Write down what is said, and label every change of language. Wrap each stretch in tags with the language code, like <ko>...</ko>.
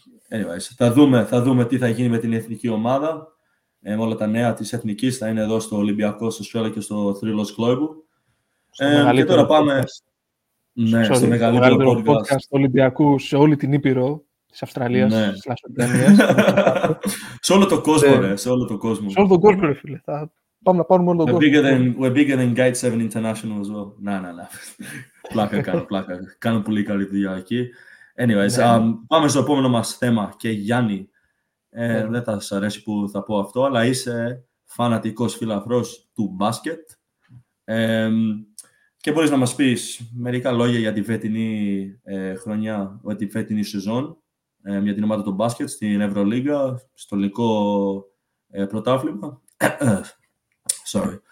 <el>Anyways, θα δούμε τι θα γίνει με την εθνική ομάδα. Όλα τα νέα της εθνικής θα είναι εδώ στο Ολυμπιακό, στο Σουέλα και στο Θρύλος Κλόιμπου. Και τώρα πάμε στο μεγαλύτερο podcast του Ολυμπιακού σε όλη την Ήπειρο. Της Αυστραλίας, της Ολλανδίας. Σε όλο τον κόσμο, σε όλο τον κόσμο. Σε όλο τον κόσμο, φίλε. Θα πάμε να πάρουμε όλο τον κόσμο.</el> <en>We're bigger than Guide 7 International as well.</en> <el>Να. Πλάκα κάνω. Κάνω πολύ καλή δουλειά εκεί. Anyways, πάμε στο επόμενο μας θέμα. Και Γιάννη, δεν θα σας αρέσει που θα πω αυτό, αλλά είσαι φανατικός φιλαθρός του μπάσκετ. Και μπορείς να μας πεις μερικά λόγια για τη φετινή χρονιά, τη φετινή σεζόν για την ομάδα του μπάσκετ στην Ευρωλίγκα, στο ελληνικό πρωτάθλημα. Sorry.</el>